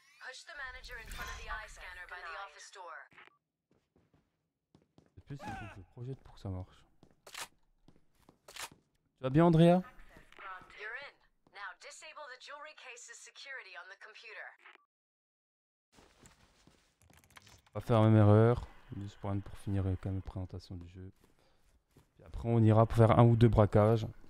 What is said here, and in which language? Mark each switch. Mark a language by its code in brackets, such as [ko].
[en] Push the manager in front of the eye scanner by the office door. [fr] C'est plus que je projette pour que ça marche. Tu vas bien, Andrea? [en] You're in. Now disable the jewelry case's security on the computer. [fr] On va faire la même erreur, juste pour, finir quand même la présentation du jeu. Et après on ira pour faire un ou deux braquages.